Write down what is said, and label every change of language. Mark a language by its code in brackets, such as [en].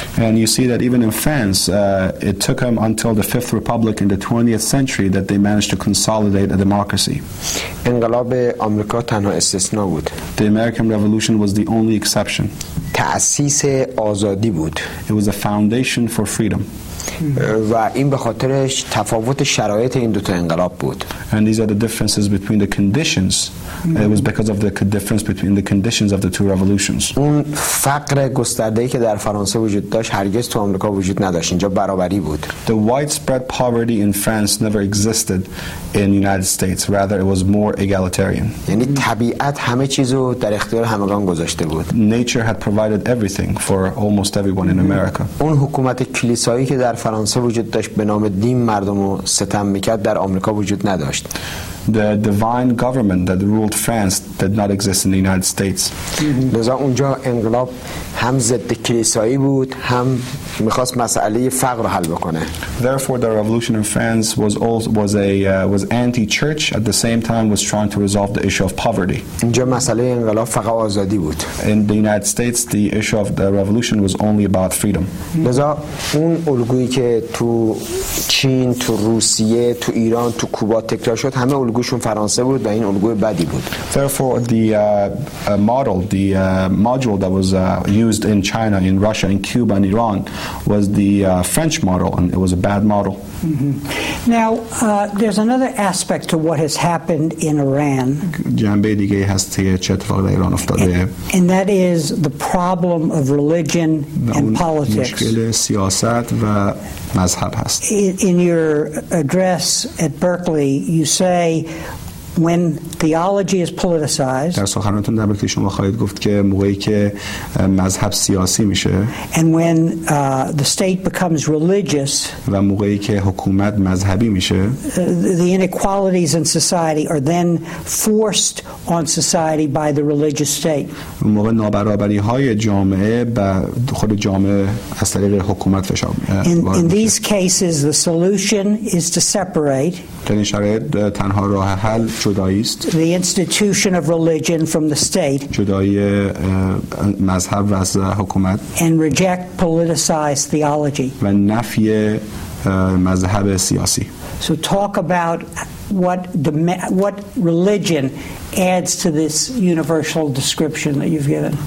[en] And you see that even in France it took them until the Fifth Republic in the 20th century that they managed to consolidate a democracy. [fa] انقلاب آمریکا تنها استثنا بود. [en] The American Revolution was the only exception. [fa] تأسیس آزادی بود. [en] It was a foundation for freedom. [fa] و این به خاطرش تفاوت شرایط این دو تا انقلاب بود. [en] And these are the differences between the conditions. It was because of the difference between the conditions of the two revolutions. [fa] اون فقر گسترده‌ای که در فرانسه وجود داشت هرگز تو آمریکا وجود نداشت. اینجا برابری بود. [en] The widespread poverty in France never existed in the United States. Rather it was more egalitarian. [fa] یعنی طبیعت همه چیزو در اختیار همگان گذاشته بود. [en] Nature had provided everything for almost everyone in America. [fa] اون حکومت کلیسایی که در فرانسه وجود داشت به نام دین مردمو ستم می‌کرد در آمریکا وجود نداشت. [en] The divine government that ruled France did not exist in the United States. [fa] لذا اونجا انقلاب هم ضد کلیسایی بود هم می‌خواست مسئله فقر رو حل بکنه. [en] Therefore the revolution in France was anti-church at the same time was trying to resolve the issue of poverty. [fa] اینجا مسئله انقلاب فقط آزادی بود. [en] In the United States the issue of the revolution was only about freedom. [fa] لذا اون الگویی که تو چین، تو روسیه، تو ایران، تو کوبا تکرار شد همه الگوشون فرانسه بود و این الگوی بدی بود. [en] Therefore the model, the module that was used in China, in Russia, in Cuba and Iran was the French model and it was a bad model. Mm-hmm. Now there's another aspect to what has happened in Iran. [fa] جنبه دیگه هست که چه اتفاقی در ایران افتاده. [en] And that is the problem of religion and politics. [fa] مشکل سیاست و مذهب هست. [en] In your address at Berkeley you say when theology is politicized. [fa] در سخنرانیتون در برکلی شما خواهید گفت که موقعی که مذهب سیاسی میشه. [en] And when the state becomes religious. [fa] و موقعی که حکومت مذهبی میشه. [en] The inequalities in society are then forced on society by the religious state. [fa] و موقع نابرابری های جامعه و خود جامعه از طریق حکومت فشار وارد میشه. [en] In these cases the solution is to separate. [fa] در این شرایط تنها راه حل جدایی است. [en] The institution of religion from the state. [fa] جدایی مذهب از حکومت. [en] And reject politicized theology. [fa] و نفی مذهب سیاسی. [en] So talk about what religion adds to this universal description that you've given.